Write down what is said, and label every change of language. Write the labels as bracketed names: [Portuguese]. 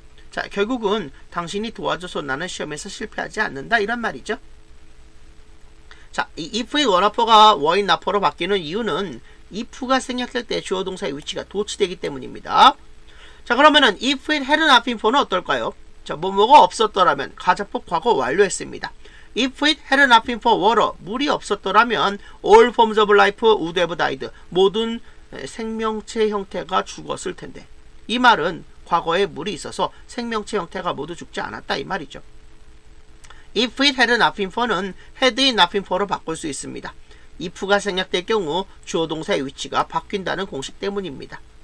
[Korean] 자, 결국은 당신이 도와줘서 나는 시험에서 실패하지 않는다, 이런 말이죠. 자, 이 [English] if it were not for [Korean] 가 were in not for로 바뀌는 이유는 if가 생략될 때 주어 동사의 위치가 도치되기 때문입니다. 자, 그러면은 if it had not been for는 어떨까요? 자, 뭐가 없었더라면 가정법 과거 완료했습니다. [English] If it had not been for water, [Korean] 물이 없었더라면 [English] all forms of life would have died. [Korean] 모든 생명체 형태가 죽었을 텐데. 이 말은 과거에 물이 있어서 생명체 형태가 모두 죽지 않았다, 이 말이죠. [English] If it had not been for는 had it not been for로 [Korean] 바꿀 수 있습니다. if가 생략될 경우 주어 동사의 위치가 바뀐다는 공식 때문입니다.